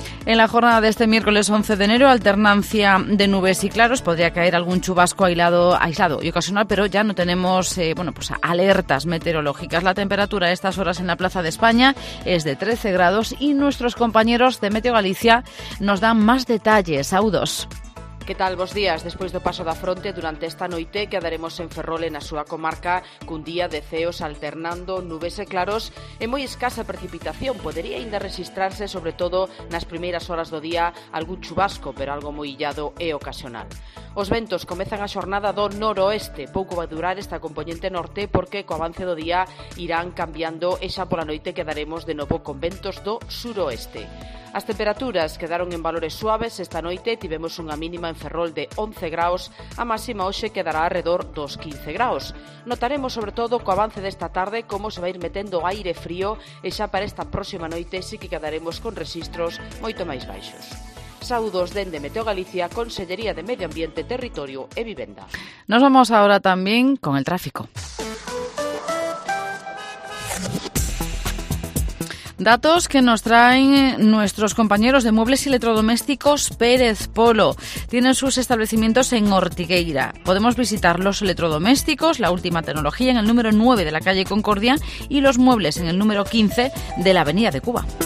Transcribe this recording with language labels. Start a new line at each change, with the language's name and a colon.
Spanish: En la jornada de este miércoles 11 de enero, alternancia de nubes y claros. Podría caer algún chubasco aislado y ocasional, pero ya no tenemos alertas meteorológicas. La temperatura a estas horas en la Plaza de España es de 13 grados y nuestros compañeros de Meteo Galicia nos dan más detalles.
Galician: Saudos. Que tal, bos días. Despois do paso da fronte durante esta noite, quedaremos en Ferrol na súa comarca cun día de ceos alternando nubes e claros e moi escasa precipitación. Podería aínda rexistrarse, sobre todo nas primeiras horas do día, algún chubasco, pero algo moi illado e ocasional. Os ventos comezan a xornada do noroeste. Pouco vai durar esta compoñente norte porque co avance do día irán cambiando e xa pola noite quedaremos de novo con ventos do suroeste. As temperaturas quedaron en valores suaves esta noite. Tivemos unha mínima en Ferrol de 11 graus, a máxima hoxe quedará arredor dos 15 graus. Notaremos sobre todo co avance desta tarde como se vai ir metendo aire frío e xa para esta próxima noite sí que quedaremos con rexistros moito máis baixos. Saúdos dende Meteo Galicia, Consellería de Medio Ambiente, Territorio e Vivenda.
Spanish: Nos vamos
Galician: agora tamén
Spanish: con el tráfico. Datos que nos traen nuestros compañeros de Muebles y Electrodomésticos Pérez Polo. Tienen sus establecimientos en Ortigueira. Podemos visitar los electrodomésticos, la última tecnología, en el número 9 de la calle Concordia y los muebles en el número 15 de la Avenida de Cuba.